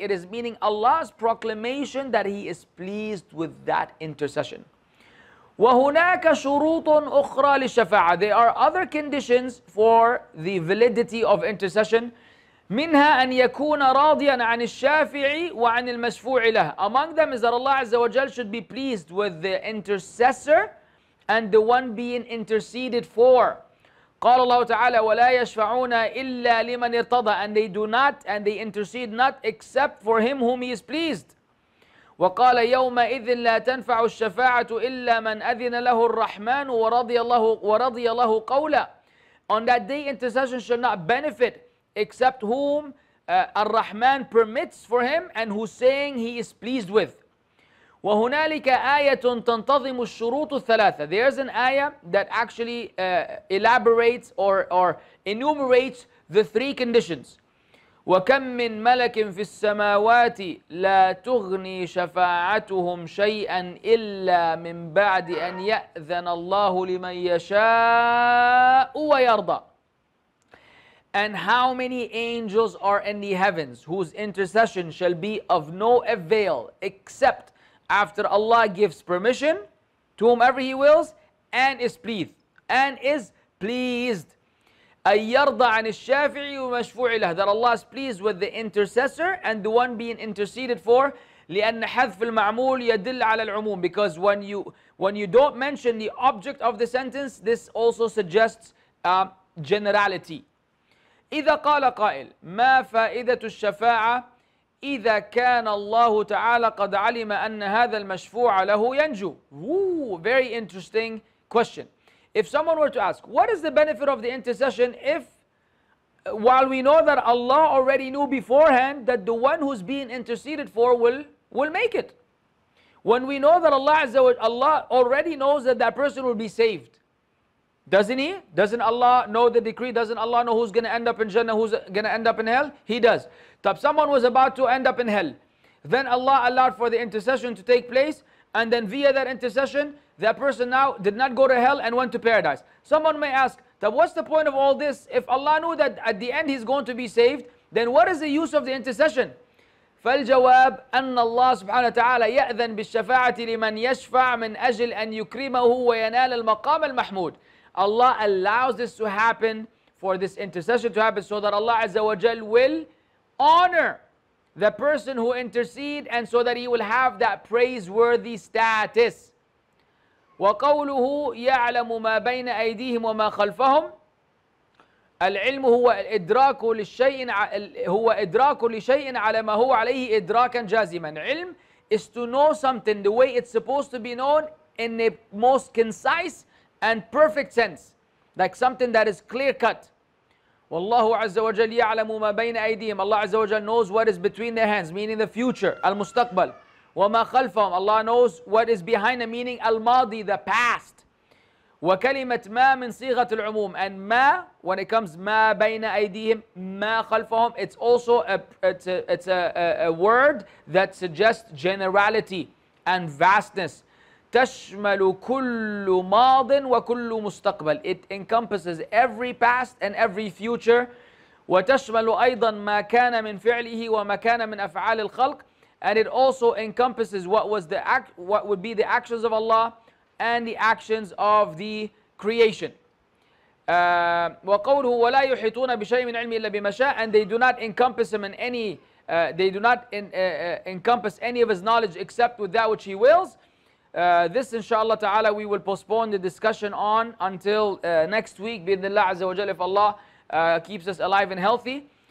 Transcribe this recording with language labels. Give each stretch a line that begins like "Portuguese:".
English: It is meaning Allah's proclamation that he is pleased with that intercession.
Arabic: وهناك شروط أخرى للشفاعة.
English: There are other conditions for the validity of intercession.
Arabic: منها أن يكون راضيا عن الشافع وعن المشفوع له.
English: Among them is that Allah عز وجل should be pleased with the intercessor and the one being interceded for.
Arabic: قال الله تعالى ولا يشفعون إلا لمن ارتضى.
English: And they do not and they intercede not except for him whom he is pleased.
Arabic: وقال يومئذ لا تنفع الشفاعة إلا من أذن له الرحمن ورضي الله قولا.
English: On that day intercession should not benefit except whom الرحمن permits for him and who's saying he is pleased with.
Arabic: وهنالك آية تنتظم الشروط الثلاثة.
English: There's an ayah that actually elaborates or enumerates the three conditions.
Arabic: وكم من ملك في السماوات لا تغني شفاعتهم شيئا إلا من بعد أن يأذن الله لمن يشاء ويرضى.
English: And how many angels are in the heavens whose intercession shall be of no avail except after Allah gives permission to whomever He wills and is pleased and is pleased.
Arabic: أن يرضى عن الشافع ومشفوع له.
English: That Allah is pleased with the intercessor and the one being interceded for.
Arabic: لأن حذف المعمول يدل على العموم.
English: Because when you don't mention the object of the sentence, this also suggests generality.
Arabic: إذا قال قائل ما فائدة الشفاعة إذا كان الله تعالى قد علم أن هذا المشفوع له ينجو.
English: Ooh, very interesting question. If someone were to ask, what is the benefit of the intercession if, while we know that Allah already knew beforehand that the one who's being interceded for will make it? When we know that Allah already knows that that person will be saved, doesn't he? Doesn't Allah know the decree? Doesn't Allah know who's going to end up in Jannah, who's going to end up in hell? He does. If someone was about to end up in hell, then Allah allowed for the intercession to take place, and then via that intercession, that person now did not go to hell and went to paradise. Someone may ask, what's the point of all this? If Allah knew that at the end he's going to be saved, then what is the use of the intercession?
Arabic: فالجواب أن الله سبحانه وتعالى يأذن بالشفاعة لمن يشفع من أجل أن يكرمه وينال المقام المحمود.
English: Allah allows this to happen, for this intercession to happen, so that Allah عز وجل will honor the person who intercede and so that he will have that praiseworthy status.
Arabic: وقوله يعلم ما بين أيديهم وما خلفهم. العلم هو إدراك للشيء هو إدراك لشيء على ما هو عليه إدراكا جازما.
English: علم is to know something the way it's supposed to be known in the most concise and perfect sense, like something that is clear cut.
Arabic: والله عز وجل يعلم ما بين أيديهم.
English: Allah عز وجل knows what is between their hands, meaning the future, المستقبل.
Arabic: وما خلفهم.
English: Allah knows what is behind them, meaning الماضي, the past.
Arabic: وكلمة ما من صيغة العموم.
English: And ما, when it comes
Arabic: ما بين أيديهم, ما خلفهم,
English: it's also a word that suggests generality and vastness.
Arabic: تشمل كل ماض وكل مستقبل.
English: It encompasses every past and every future.
Arabic: وتشمل أيضا ما كان من فعله وما كان من أفعال الخلق.
English: And it also encompasses what would be the actions of Allah and the actions of the creation.
Arabic: وقوله ولا يحيطون بشيء من علمه إلا بما شاء.
English: And they do not encompass him in any. They do not encompass any of his knowledge except with that which he wills. This, inshallah ta'ala, we will postpone the discussion on until next week.
Arabic: Bi'idhnillah azza wa jalla,
English: if Allah keeps us alive and healthy.